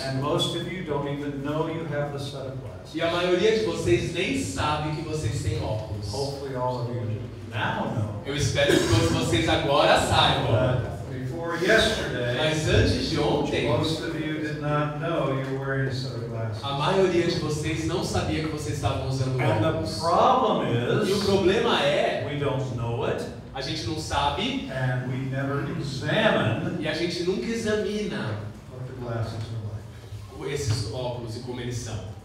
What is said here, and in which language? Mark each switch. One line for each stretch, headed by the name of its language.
English: And most of you don't even know you have the set of glasses.
Portuguese: E a maioria de vocês nem sabe que vocês têm óculos.
English: Hopefully all of you now know.
Portuguese: Eu espero que todos vocês agora saibam.
English: Before yesterday.
Portuguese: Mas antes de ontem.
English: Most of you did not know you were wearing a set of glasses.
Portuguese: A maioria de vocês não sabia que vocês estavam usando óculos.
English: And the problem is.
Portuguese: E o problema é.
English: We don't know it.
Portuguese: A gente não sabe.
English: And we never examine.
Portuguese: E a gente nunca examina
English: what the glasses are like.
Portuguese: Esses óculos e como eles são.